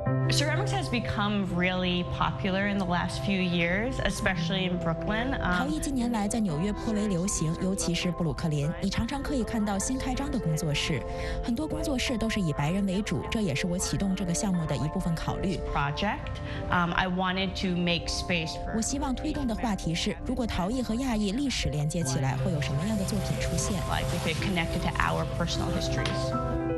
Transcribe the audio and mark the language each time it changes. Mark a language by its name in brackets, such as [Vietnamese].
[English] Ceramics has become really popular in the last few years, especially in Brooklyn. [Chinese] 陶艺近年来在纽约颇为流行，尤其是布鲁克林。你常常可以看到新开张的工作室，很多工作室都是以白人为主，这也是我启动这个项目的一部分考虑。 [English] Project, I wanted to make space for. [Chinese] 我希望推动的话题是，如果陶艺和亚裔历史连接起来，会有什么样的作品出现 [English] ？Like if it connected to our personal histories.